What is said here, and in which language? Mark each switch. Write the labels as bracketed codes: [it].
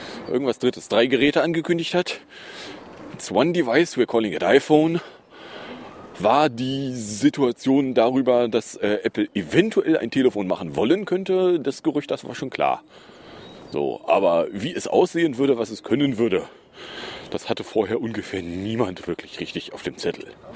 [de] Irgendwas Drittes, drei Geräte angekündigt hat. [en] It's one device, we're calling it iPhone. [de] War die Situation darüber, dass Apple eventuell ein Telefon machen wollen könnte, das Gerücht, das war schon klar. So, aber wie es aussehen würde, was es können würde, das hatte vorher ungefähr niemand wirklich richtig auf dem Zettel.